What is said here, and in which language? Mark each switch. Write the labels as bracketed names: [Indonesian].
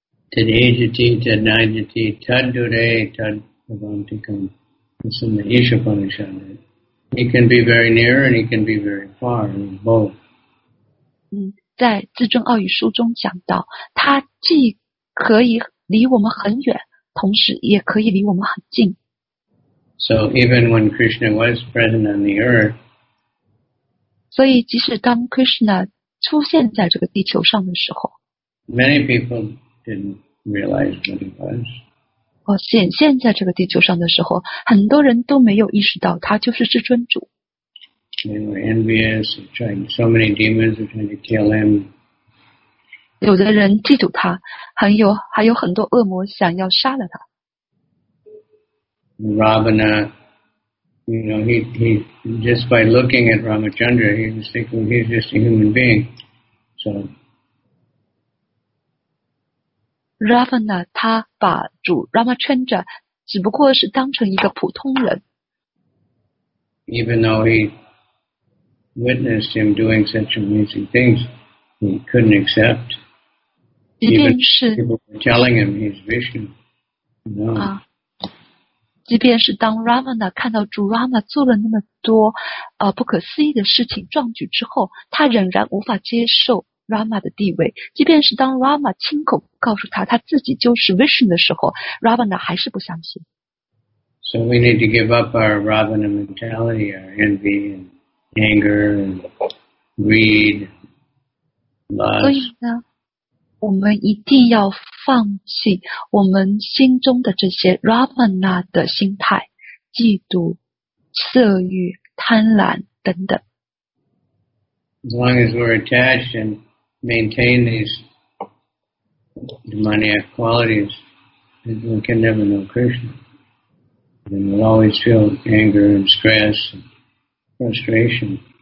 [Sanskrit] Tadijati, Tadnajati, Tadure, Tadavantikam. [English] It's in the Ishapanishad. He can be very near and he can be very far, both. [Chinese] 在自证奥语书中讲到，他既可以离我们很远，同时也可以离我们很近。 [English] So even when Krishna was present on the earth, [Chinese] 所以即使当 Krishna 出现在这个地球上的时候， [English] Many people didn't realize what it was. [Chinese] 显现在这个地球上的时候，很多人都没有意识到他就是至尊主。 [English] They were envious, trying, so many demons were trying to kill him. [Chinese] 有的人嫉妒他，还有很多恶魔想要杀了他。 [English] Ravana, you know, he just by looking at Ramachandra, he was thinking he's just a human being. So, [Chinese] Ravana 他把主 Ramachandra 只不过是当成一个普通人。 [English] Even though he witnessed him doing such amazing things, he couldn't accept. Even people were telling him he's Vishnu. No. [Chinese] 即便是当 Ravana 看到主 Rama 做了那么多不可思议的事情壮举之后，他仍然无法接受。 Rama 的地位，即便是当 Rama 亲口告诉他自己就是 Vishnu 的时候 ，Ravana 还是不相信。 [English] So we need to give up our Ravana mentality, our envy, and anger, and greed, lust. [Chinese] 所以呢，我们一定要放弃我们心中的这些 Ravana 的心态，嫉妒、色欲、贪婪等等。 [English] As long as we're attached and maintain these demoniac qualities, we can never know Krishna. And we'll always feel anger and stress and frustration.